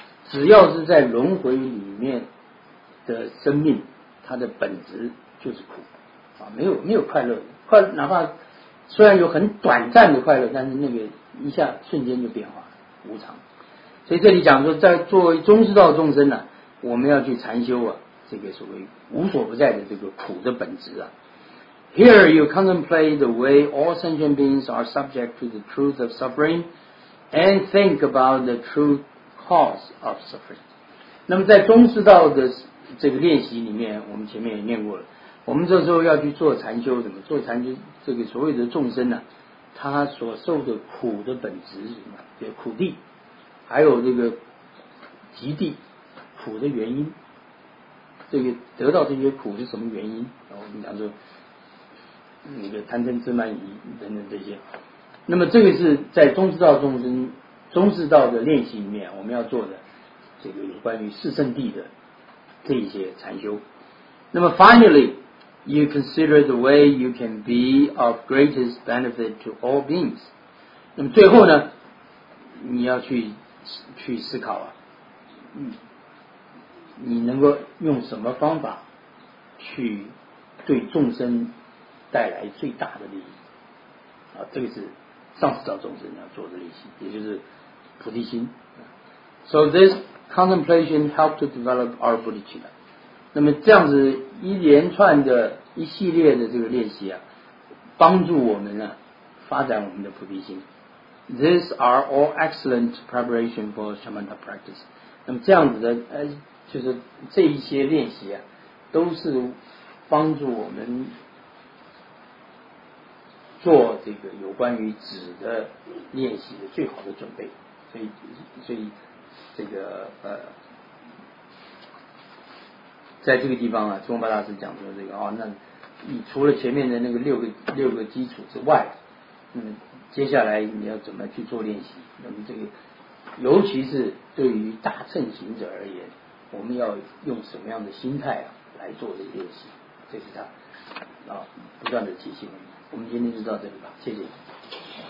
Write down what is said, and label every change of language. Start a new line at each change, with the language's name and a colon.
Chinese: 只要是在轮回里面的生命，它的本质就是苦啊，没有快乐，快哪怕虽然有很短暂的快乐，但是那个一下瞬间就变化。无常，所以这里讲说，在作为中士道众生呢，我们要去禅修啊，这个所谓无所不在的这个苦的本质啊。
English: Here you contemplate the way all sentient beings are subject to the truth of suffering and think about the true cause of suffering.
Chinese: 那么在中之道的这个练习里面，我们前面也念过了，我们这时候要去做禅修，怎么做禅修，这个所谓的众生呢、啊、他所受的苦的本质是什么，比如苦地还有这个极地，苦的原因，这个得到这些苦是什么原因，然后我们讲说那个贪嗔痴慢疑等等这些。那么这个是在中士道众生中士道的练习里面我们要做的这个有关于四圣地的这一些禅修。
English: 那么 finally you consider the way you can be of greatest benefit to all beings.
Chinese: 那么最后呢你要去思考啊，你能够用什么方法去对众生带来最大的利益啊，这个是上师道众生要做的练习，也就是菩提心。
English: So this contemplation helped to develop our bodhicitta.
Chinese: 那么这样子一连串的一系列的这个练习啊，帮助我们呢、啊、发展我们的菩提心。
English: These are all excellent preparation for shamatha practice.
Chinese: 那么这样子的就是这一些练习啊，都是帮助我们做这个有关于止的练习的最好的准备。所以这个在这个地方啊，中巴大师讲说这个啊、哦、那你除了前面的那个六个基础之外，那么接下来你要怎么去做练习，那么这个尤其是对于大乘行者而言，我们要用什么样的心态啊来做这个练习，这是他啊、哦、不断的提醒我们。我们今天就到这里吧，谢谢。